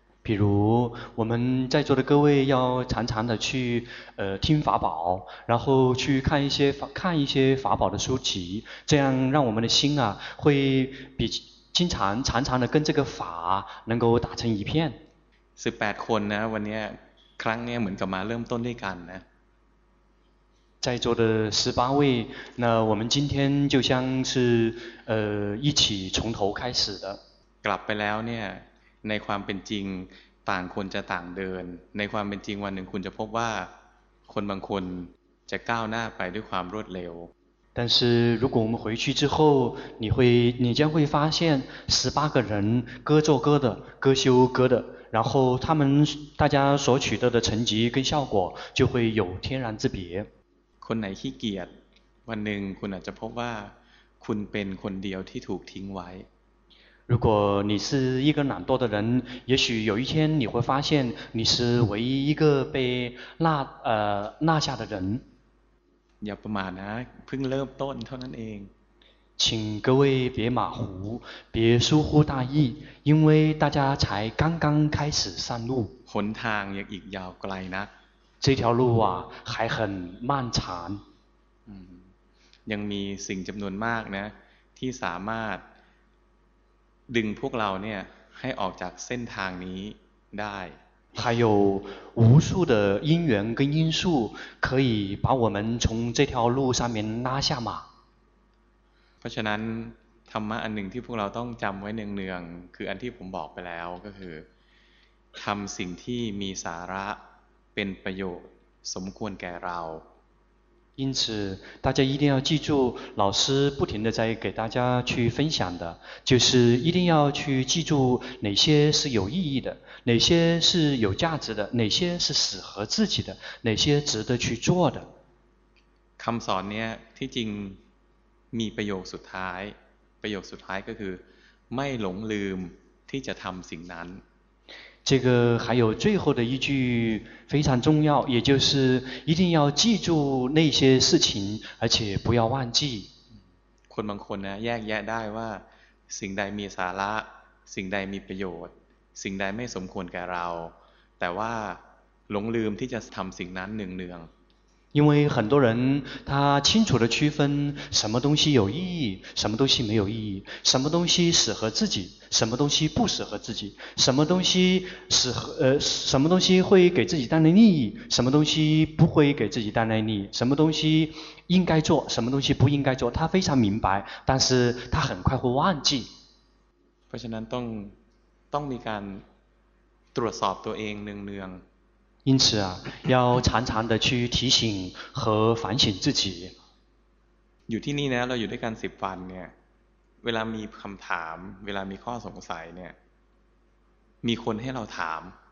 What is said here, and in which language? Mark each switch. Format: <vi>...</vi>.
<zh>比如我们在座的各位要常常的去听法宝然后去看一些法宝的书籍这样让我们的心啊会比经常常常的跟这个法能够打成一片</zh> <th>18คนนะวันนี้ครั้งนี้เหมือนกับมาเริ่มต้นด้วยกันนะ</th> <zh>在座的18位那我们今天就像是一起从头开始的</zh> <th>กลับไปแล้วเนี่ยในความเป็นจริงต่างคนจะต่างเดินในความเป็นจริงวันหนึ่งคุณจะพบว่าคนบางคนจะก้าวหน้าไปด้วยความรวดเร็ว</th> <zh>但是如果我们回去之后你将会发现18个人各做各的各修各的然后他们大家所取得的成绩跟效果就会有天壤之别</zh> <th>คนไหนขี้เกียจวันหนึ่งคุณอาจจะพบว่าคุณเป็นคนเดียวที่ถูกทิ้งไว้</th> <zh>如果你是一个懒惰的人也许有一天你会发现你是唯一一个被落下的人</zh> <th>อย่าประมาทนะเพิ่งเริ่มต้นเท่านั้นเอง</th> <zh>请各位别马虎别疏忽大意因为大家才刚刚开始上路</zh> <th>หนทางยังอีกยาวไกลนะ</th> <zh>这条路啊还很漫长</zh> <th>ยังมีสิ่งจำนวนมากนะที่สามารถดึงพวกเราเนี่ยให้ออกจากเส้นทางนี้ได้</th> <zh>还有无数的因缘跟因素可以把我们从这条路上面拉下马</zh> <th>เพราะฉะนั้นธรรมะอันหนึ่งที่พวกเราต้องจำไว้เนืองๆคืออันที่ผมบอกไปแล้วก็คือทำสิ่งที่มีสาระเป็นประโยชน์สมควรแก่เรา</th> <zh>因此大家一定要记住老师不停地在给大家去分享的就是一定要去记住哪些是有意义的哪些是有价值的哪些是适合自己的哪些值得去做的</zh> <th>คำสอนเนี่ยที่จริงมีประโยคสุดท้ายประโยคสุดท้ายก็คือไม่หลงลืม ที่จะทำสิ่งนั้น</th> <zh>这个还有最后的一句非常重要，也就是一定要记住那些事情，而且不要忘记。</zh> <th>คนบางคนนะแยกแยะได้ว่าสิ่งใดมีสาระสิ่งใดมีประโยชน์สิ่งใดไม่สมควรแก่เราแต่ว่าหลงลืมที่จะทำสิ่งนั้นเนือง</th> <zh>ๆ因为很多人他清楚地区分什么东西有意义什么东西没有意义什么东西适合自己什么东西不适合自己什么东西什么东西会给自己带来利益什么东西不会给自己带来利益什么东西应该做什么东西不应该做他非常明白但是他很快会忘记</zh> <th>เพราะฉะนั้นต้องมีการตรวจสอบตัวเองเนืองๆ</th> <zh>因此啊要常常的去提醒和反省自己</zh> <th>อยู่ที่นี่นะเราอยู่ด้วยกัน10วันเนี่ยเวลามีคำถามเวลามีข้อสงสัยเนี่ยมีคนให้เราถาม</th>